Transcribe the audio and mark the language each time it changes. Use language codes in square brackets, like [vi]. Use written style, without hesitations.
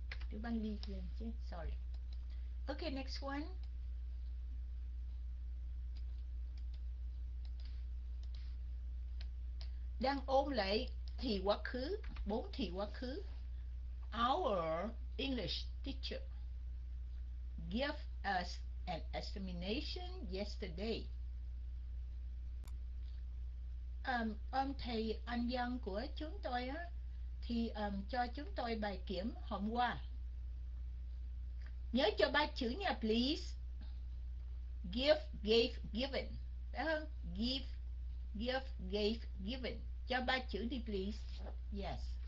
[vi] Tiếng Anh Cleveland chứ, [en] sorry. Okay, next one. [vi] Đang ôm lại thì quá khứ, bốn thì quá khứ. [en] Our English teacher gave us an examination yesterday. [vi] Ông thầy Anh văn của chúng tôi á thì cho chúng tôi bài kiểm hôm qua. Nhớ cho ba chữ nha, [en] please. Give, gave, given. [vi] Đấy không? [en] Give, give, gave, given. [vi] Cho ba chữ đi, [en] please. Yes.